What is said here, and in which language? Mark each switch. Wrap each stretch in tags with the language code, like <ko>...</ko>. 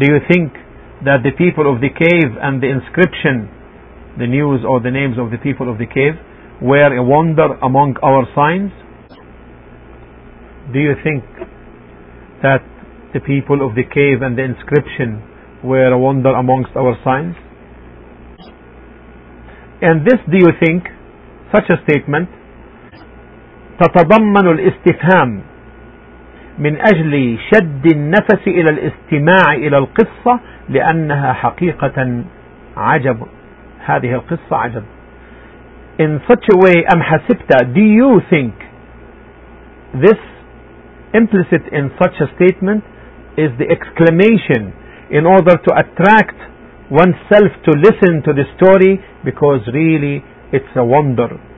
<en>Do you think that the people of the cave and the inscription, the news or the names of the people of the cave, were a wonder among our signs? Do you think that the people of the cave and the inscription were a wonder amongst our signs? And this, do you think, such a statement,</en> <ar>تتضمن الاستفهام من أجل شد النفس إلى الاستماع إلى القصة لأنها حقيقة عجب. هذه القصة عجب.</ar> <en>In such a way,</en> <ar>أم حسبت,</ar> <en>do you think, this implicit in such a statement is the exclamation in order to attract oneself to listen to the story, because really it's a wonder.</en>